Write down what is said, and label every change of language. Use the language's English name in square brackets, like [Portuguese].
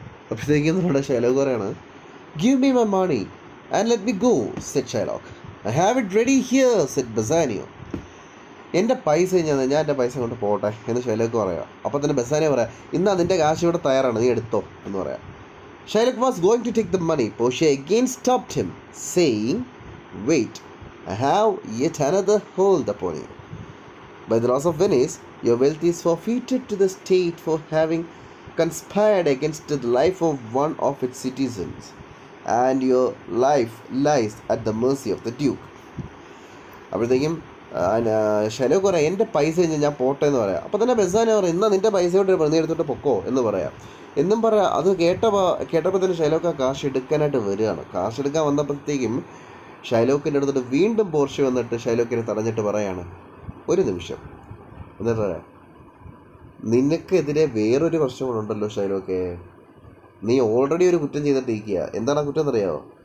[Malayalam] അപ്പോഴത്തേക്കും നമ്മുടെ ഷൈലോക്ക് പറയാണ്, [English] give me my money and let me go said Shylock, I have it ready here said Bassanio, [Malayalam] എൻ്റെ പൈസ ഞാൻ എൻ്റെ പൈസ കൊണ്ട് പോകട്ടെ എന്ന് ഷൈലോക്ക് പറയാം. അപ്പോൾ തന്നെ ബസാനിയോ പറയാം, ഇന്നാ നിൻ്റെ കാശ് ഇവിടെ തയ്യാറാണ് നീ എടുത്തോ എന്ന് പറയാം. [English] Shylock was going to take the money, പോഷ്യ again stopped him saying weight, I have yet another hold upon you. By the laws of Venice, your wealth is forfeited to the state for having conspired against the life of one of its citizens, and your life lies at the mercy of the duke. [Malayalam] അപ്പോഴത്തേക്കും Shylock പറയാം, എൻ്റെ പൈസ കഴിഞ്ഞാൽ ഞാൻ പോട്ടെ എന്ന് പറയാം. അപ്പോൾ തന്നെ ബെസാനോ പറയാം, എന്നാൽ നിൻ്റെ പൈസ കൊണ്ട് നീ എടുത്തിട്ട് പൊക്കോ എന്ന് പറയാം. എന്നും പറയാം, അത് കേട്ടപ്പോൾ തന്നെ ഷൈലോക്ക് ആ കാശ് എടുക്കാനായിട്ട് വരികയാണ്. കാശ് എടുക്കാൻ വന്നപ്പോഴത്തേക്കും ഷൈലോക്കിൻ്റെ അടുത്തിട്ട് വീണ്ടും പോർഷ്യ വന്നിട്ട് ഷൈലോക്കിനെ തടഞ്ഞിട്ട് പറയാണ്, ഒരു നിമിഷം എന്നിട്ട് പറയാം, നിനക്കെതിരെ വേറൊരു പ്രശ്നം കൂടെ ഉണ്ടല്ലോ ഷൈലോക്കെ, നീ ഓൾറെഡി ഒരു കുറ്റം ചെയ്തിട്ടിരിക്കുക. എന്താണ് ആ കുറ്റം എന്നറിയാമോ?